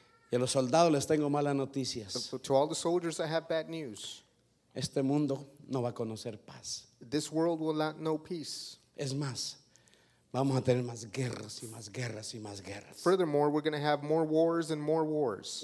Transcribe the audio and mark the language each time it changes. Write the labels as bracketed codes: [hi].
[es] Y a los soldados les tengo malas noticias. [en] To all the soldiers, I have bad news. [es] Este mundo no va a conocer paz. [en] This world will not know peace. [es] Es más, vamos a tener más guerras y más guerras y más guerras. [en] Furthermore, we're going to have more wars and more wars.